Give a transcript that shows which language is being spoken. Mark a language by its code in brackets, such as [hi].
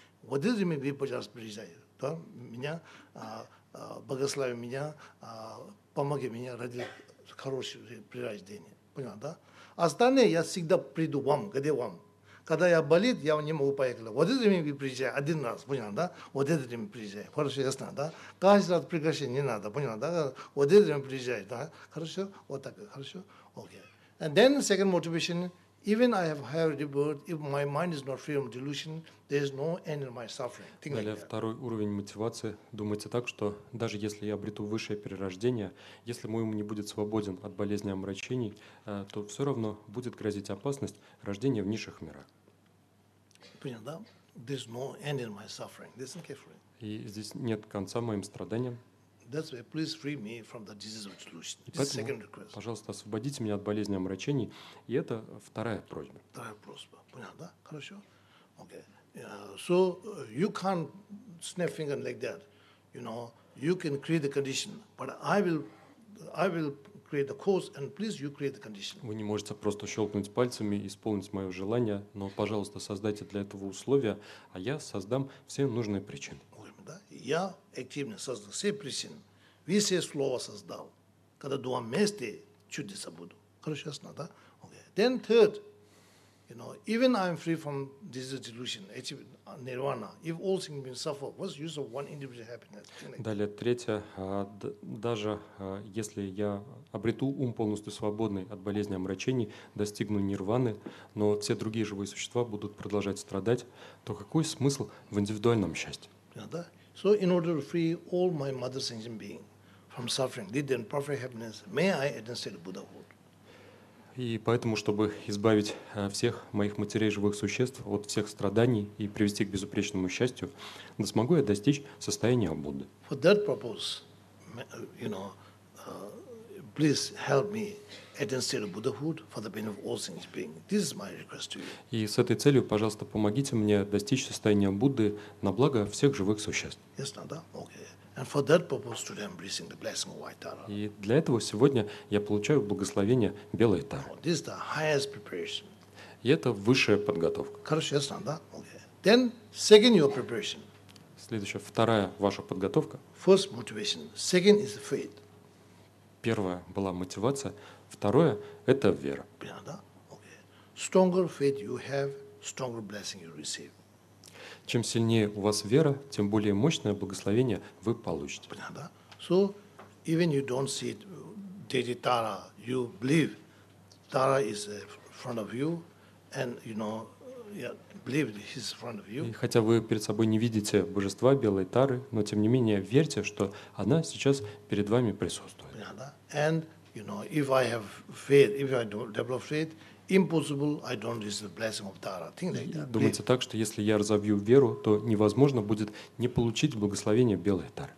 [ru] Вот это мне, вы, пожалуйста, приезжайте. Да? Меня, благослови меня, помоги мне ради хорошего прирождения. Понятно, да? Остальные я всегда приду вам, где вам. Когда я болит, я не могу поехать. Вот это время приезжай один раз, понял, да? Вот это время приезжай. Хорошо, ясно, да? Каждый раз приглашение не надо, понял, да? Вот это время приезжай, да? Хорошо? Вот так, хорошо? Окей. Okay. [en] And then second motivation, even I have higher rebirth, if my mind is not free from delusion, there is no end in my suffering. [ru] Think далее, like второй уровень мотивации. Думайте так, что даже если я обрету высшее перерождение, если мой ум не будет свободен от болезни омрачений, то все равно будет грозить опасность рождения в низших мирах. Понятно, да? [en] There is no end in my suffering. Listen carefully. [ru] И здесь нет конца моим страданиям. [en] That's why please free me from the disease of delusion. This [ru] поэтому, [en] second request. [ru] Пожалуйста, освободите меня от болезни омрачений. И это вторая просьба. Вторая просьба. Понятно, да? Хорошо? [en] Okay. So you can't snap finger like that. You know, you can create the condition, but I will create the cause, and please you create the condition. [ru] Вы не можете просто щелкнуть пальцами и исполнить мое желание, но, пожалуйста, создайте для этого условия, а я создам все нужные причины. Я активно создал все причины, все слова создал. Когда два вместе, чудеса буду. Хорошо, ясно, да? Okay. [en] Then third, you know, even I'm free from this delusion, nirvana, if all things been suffered, what's the use of one individual happiness? [ru] Далее, третье, даже если я обрету ум полностью свободный от болезни омрачений, достигну нирваны, но все другие живые существа будут продолжать страдать, то какой смысл в индивидуальном счастье? Понятно, да? [en] So in order to free all my mother sentient being from suffering, lead them perfect happiness, may I attain state of Buddhahood. [ru] И поэтому, чтобы избавить всех моих матерей живых существ от всех страданий и привести к безупречному счастью, да смогу я достичь состояния Будды. [en] For that purpose, you know, please help me attain state of Buddhahood for the benefit of all sentient being. This is my request to you. [ru] И с этой целью, пожалуйста, помогите мне достичь состояния Будды на благо всех живых существ. [en] Yes, no, да? Okay. And for that purpose, today I'm receiving the blessing of White Tara. [ru] И для этого сегодня я получаю благословение Белой Тары. [en] Oh, this is the highest preparation. [ru] И это высшая подготовка. Хорошо, ясно, да? [en] Okay. Then second your preparation. [ru] Следующая, вторая ваша подготовка. [en] First motivation. Second is faith. [ru] Первая была мотивация, второе – это вера. Понятно, да? [en] Okay. Stronger faith you have, stronger blessing you receive. [ru] Чем сильнее у вас вера, тем более мощное благословение вы получите. Понятно, да? [en] So, even you don't see Deity Tara, you believe Tara is in front of you, and you know, yeah, believe he's in front of you. [ru] И хотя вы перед собой не видите божества Белой Тары, но тем не менее верьте, что она сейчас перед вами присутствует. Понятно, да? [en] And, you know, if I have faith, if I develop faith, impossible, I don't receive the blessing of Tara. Think like that. [ru] Думается так, что если я разобью веру, то невозможно будет не получить благословение Белой Тары.